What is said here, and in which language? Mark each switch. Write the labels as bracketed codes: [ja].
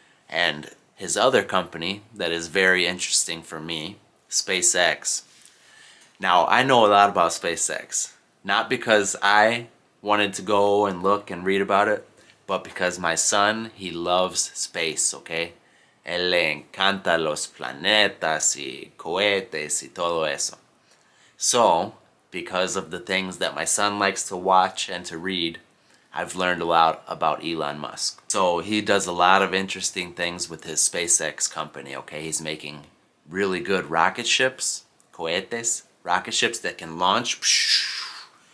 [en] And his other company that is very interesting for me, SpaceX. Now, I know a lot about SpaceX, not because I wanted to go and look and read about it, but because my son, he loves space, okay? [es] Él le encanta los planetas y cohetes y todo eso. [en] So, because of the things that my son likes to watch and to read, I've learned a lot about Elon Musk. So he does a lot of interesting things with his SpaceX company, okay? He's making really good rocket ships, cohetes, rocket ships that can launch.